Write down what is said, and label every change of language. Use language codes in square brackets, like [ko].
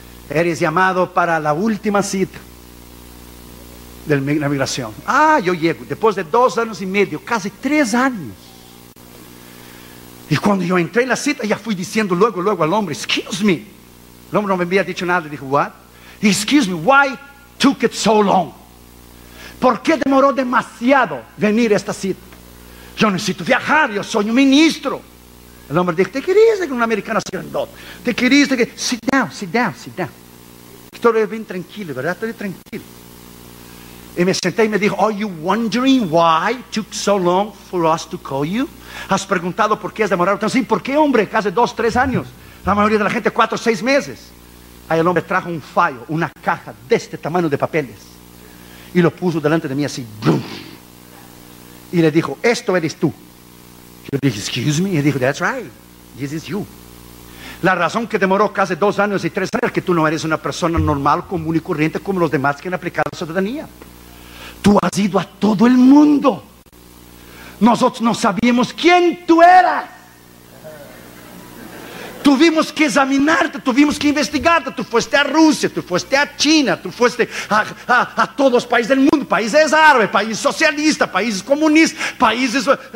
[es] Eres llamado para la última cita de la migración. Ah, yo llego, después de 2 años y medio, casi 3 años. Y cuando yo entré en la cita, ya fui diciendo luego al hombre, [en] excuse me. [es] El hombre no me había dicho nada, dijo, [en] what? Excuse me, why took it so long? [es] ¿Por qué demoró demasiado venir a esta cita? Yo necesito viajar, yo soy un ministro. El hombre dijo, ¿te querías que un americano sea un dot? ¿Te querías que... [en] Sit down. [es] Estoy bien tranquilo, ¿verdad? Estoy tranquilo. Y me senté y me dijo, [en] are you wondering why it took so long for us to call you? [es] ¿Has preguntado por qué has demorado tanto? Sí, ¿por qué, hombre? Casi 2, 3 años. La mayoría de la gente, 4, 6 meses. Ahí el hombre trajo un file, una caja de este tamaño de papeles. Y lo puso delante de mí así. ¡Bruf! Y le dijo, esto eres tú. Yo dije, [en] excuse me. [es] Y dijo, [en] that's right, this is you. [es] La razón que demoró casi 2 años y 3 años es que tú no eres una persona normal, común y corriente como los demás que han aplicado la ciudadanía. Tú has ido a todo el mundo. Nosotros no sabíamos quién tú eras. Tuvimos que examinarte, tuvimos que investigarte. Tú fuiste a Rusia, tú fuiste a China, tú fuiste a todos los países del mundo, países árabes, países socialistas, países comunistas, países...